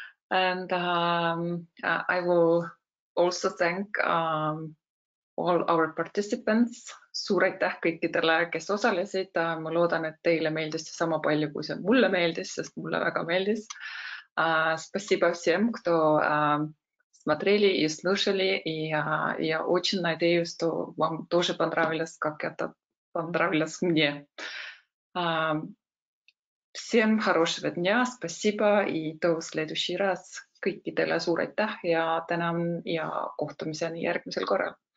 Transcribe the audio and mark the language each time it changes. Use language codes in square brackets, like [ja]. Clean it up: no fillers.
[en] And I will also thank all our participants. [et] Suur aitäh kõikidele, kes osalesid. Ma loodan, et teile meeldis sama palju, kui see mulle meeldis, sest mulle väga meeldis. [ru] Спасибо всем, кто смотрели и слушали. И я очень надеюсь, что вам тоже понравилось, как это понравилось мне. Всем хорошего дня, спасибо и до следующий раз. [et] Kõikidele suur aitäh ja tänan ja kohtumiseni järgmisel korral.